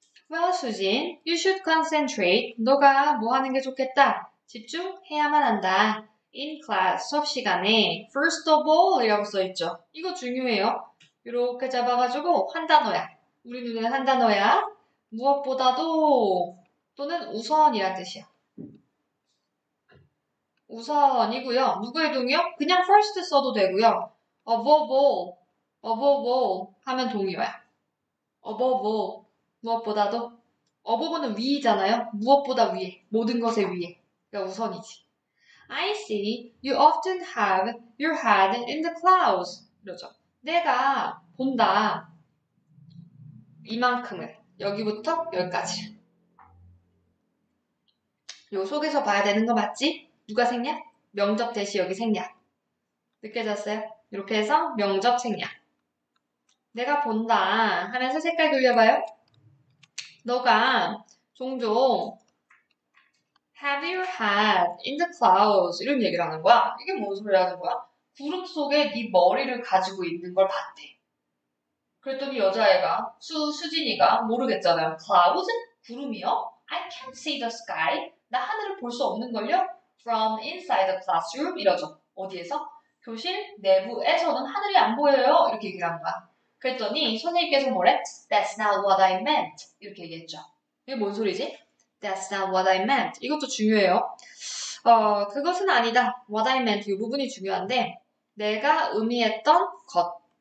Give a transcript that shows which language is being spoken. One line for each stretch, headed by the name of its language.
English: Well, Susan, you should concentrate.
Korean: 너가 뭐 하는 게 좋겠다? 집중해야만 한다. In class, 수업 시간에
English: first of all
Korean: 이라고 써 있죠. 이거 중요해요. 이렇게 잡아가지고 한 단어야. 우리 눈에는 한 단어야. 무엇보다도 또는 우선이란 뜻이야. 우선이고요. 누구의 동의요? 그냥 first 써도 되고요.
English: Above all, above all 하면 동의어야. Above all, 무엇보다도.
Korean: Above는 위잖아요. 무엇보다 위에. 모든 것의 위에. 그러니까 우선이지.
English: I see you often have your head in the clouds.
Korean: 그러죠. 내가 본다. 이만큼을. 여기부터 여기까지. 요 속에서 봐야 되는 거 맞지? 누가 생략? 명접 대시 여기 생략. 늦게 잤어요? 이렇게 해서 명접 생략. 내가 본다 하면서 색깔 돌려봐요. 너가 종종
English: have your head in the clouds
Korean: 이런 얘기를 하는 거야. 이게 뭔 소리 하는 거야? 구름 속에 네 머리를 가지고 있는 걸 봤대. 그랬더니 여자애가 수진이가 모르겠잖아요.
English: Clouds?
Korean: 구름이요?
English: I can't see the sky.
Korean: 나 하늘을 볼수 없는 걸요?
English: From inside the classroom 이러죠.
Korean: 어디에서? 교실 내부에서는 하늘이 안 보여요. 이렇게 얘기를 하는 거야. 그랬더니 선생님께서 뭐래?
English: That's not what I meant.
Korean: 이렇게 얘기했죠. 이게 뭔 소리지?
English: That's not what I meant.
Korean: 이것도 중요해요. 그것은 아니다.
English: What I meant.
Korean: 이 부분이 중요한데, 내가 의미했던 것.